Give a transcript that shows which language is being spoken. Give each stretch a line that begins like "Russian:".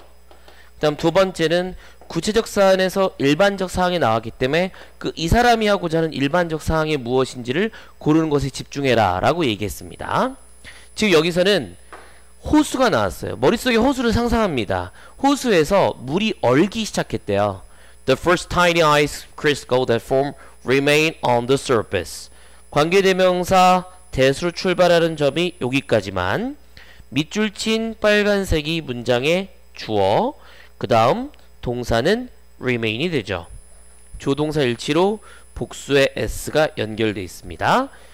Korean: 그 다음 두 번째는 구체적 사안에서 일반적 사항이 나왔기 때문에 그 이 사람이 하고자 하는 일반적 사항이 무엇인지를 고르는 것에 집중해라 라고 얘기했습니다. 즉 여기서는 호수가 나왔어요. 머릿속에 호수를 상상합니다. 호수에서 물이 얼기 시작했대요.
English: The first tiny ice crystal that form remain on the surface.
Korean: 관계대명사 대수로 출발하는 점이 여기까지만 밑줄 친 빨간색이 문장의 주어 그 다음 동사는 remain이 되죠. 조동사 일치로 복수의 s가 연결되어 있습니다.